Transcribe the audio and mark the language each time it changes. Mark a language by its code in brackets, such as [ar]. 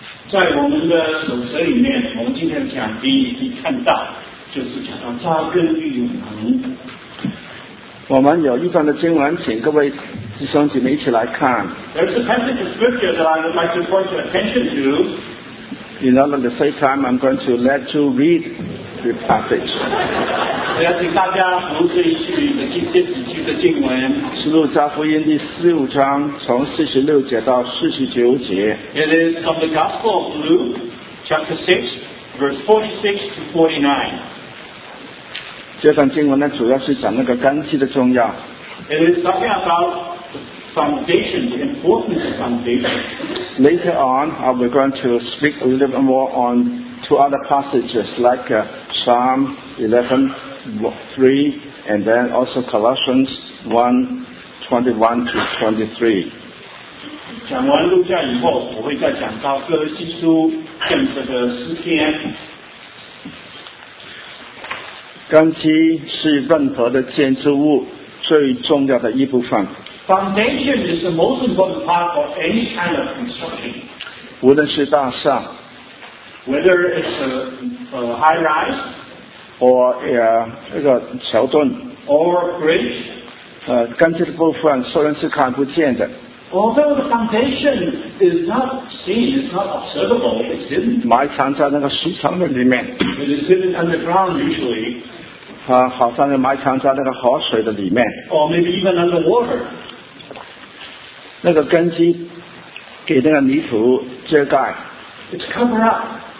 [zh] 在我们的手册里面，我们今天讲第一题看到，就是讲到扎根与永恒。我们有一段的经文，请各位弟兄姐妹一起来看。 [en] There's a passage of scripture that I would like to point your attention to. In order to save time, I'm going to let you read the passage. [zh] 我要请大家读这一句的这几句的经文。是路加福音第四五章，从四十六节到四十九节。 [en] It is from the Gospel of Luke, chapter 6, verse 46 to 49. [zh] 这段经文呢，主要是讲那个根基的重要。 [en] It is talking about the foundation, the importance of foundation. Later on, I'll be going to speak a little bit more on two other passages, like Psalm 11. 3 and then also Colossians 1:21-23. Foundation is the most important part of any kind of construction. [zh] 无论是大厦 [en] whether it's a high rise. Or [zh] 这个桥墩 [en] ，or bridge， [zh] 根基的部分虽然是看不见的 [en] ，although the foundation is not seen, it's not observable, it's hidden， [zh] 埋藏在那个石层的里面 [en] ，it is hidden underground usually， [zh] 好像埋藏在那个河水的里面 [en] ，or maybe even underwater， [zh] 那个根基给那个泥土遮盖 [en] ，it's cover up。